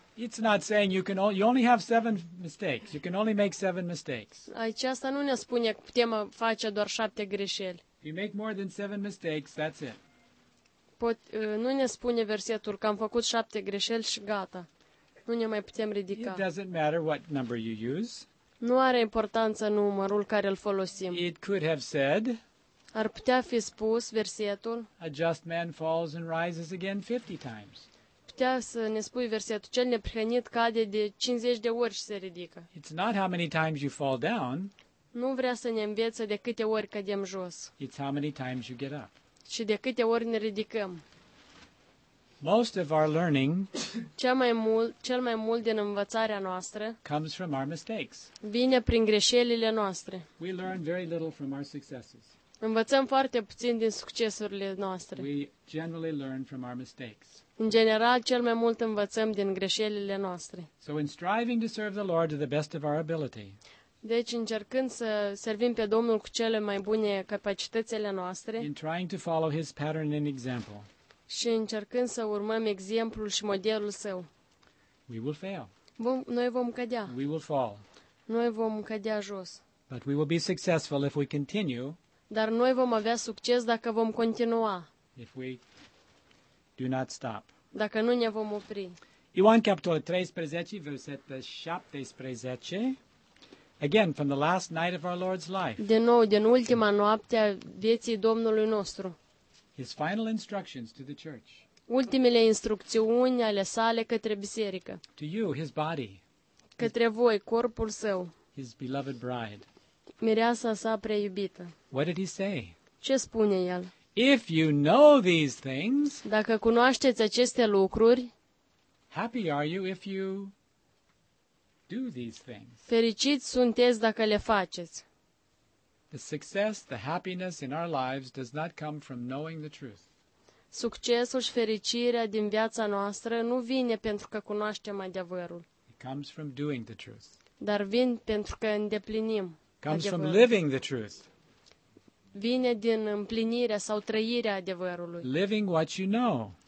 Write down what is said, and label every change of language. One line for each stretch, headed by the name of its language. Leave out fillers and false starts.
English: It's not saying you can you only have 7 mistakes. You can only make 7 mistakes.
Romanian: Aceasta nu ne spune că putem face doar 7 greșeli.
English: You make more than 7 mistakes, that's it.
Romanian: Nu ne spune versetul că am făcut 7 greșeli și gata. Nu ne mai putem ridica.
English: It doesn't matter what number you use.
Romanian: Nu are importanță numărul care îl folosim.
English: It could have said,
Romanian: ar putea fi spus versetul,
English: a just man falls and rises again 50 times.
Romanian: Putea să ne spui versetul, cel neprihănit cade de 50 de ori și se ridică.
English: It's not how many times you fall down.
Romanian: Nu vrea să ne învețe de câte ori cădem jos.
English: It's how many times you get up.
Romanian: Și de câte ori ne ridicăm.
English: Most of our learning,
Romanian: cel mai mult din învățarea noastră,
English: comes from our mistakes.
Romanian: Vine prin greșelile noastre.
English: We learn very little from our successes.
Romanian: Învățăm foarte puțin din succesurile noastre.
English: We generally learn from our mistakes.
Romanian: În general, cel mai mult învățăm din greșelile noastre.
English: So in striving to serve the Lord to the best of our ability.
Romanian: Deci încercând să servim pe Domnul cu cele mai bune capacitățile noastre.
English: In trying to follow his pattern and example.
Romanian: Și încercând să urmăm exemplul și modelul său.
English: We will fail.
Romanian: Noi vom cădea.
English: We will fall.
Romanian: Noi vom cădea jos.
English: But we will be successful if we continue.
Romanian: Dar noi vom avea succes dacă vom continua.
English: If we do not stop.
Romanian: Dacă nu ne vom opri. Ioan capitolul 13, versetul 17.
English: Again, from the last night of our Lord's life.
Romanian: De nou, din ultima noapte a vieții Domnului nostru.
English: His final instructions to the church.
Romanian: Ultimele instrucțiuni ale sale către biserică.
English: To you, his body.
Romanian: Către voi, corpul său.
English: His beloved bride.
Romanian: Mireasa sa prea iubită.
English: What did he say?
Romanian: Ce spune el?
English: If you know these things,
Romanian: dacă cunoașteți aceste lucruri,
English: happy are you if you do these things.
Romanian: Fericiți sunteți dacă le faceți.
English: The success, the happiness in our lives does not come from knowing the truth.
Romanian: Succesul și fericirea din viața noastră nu vine pentru că cunoaștem adevărul.
English: It comes from doing the truth.
Romanian: Dar vin pentru că îndeplinim.
English: Comes from living the truth.
Romanian: Vine din împlinirea sau trăirea adevărului.
English: Living what you know.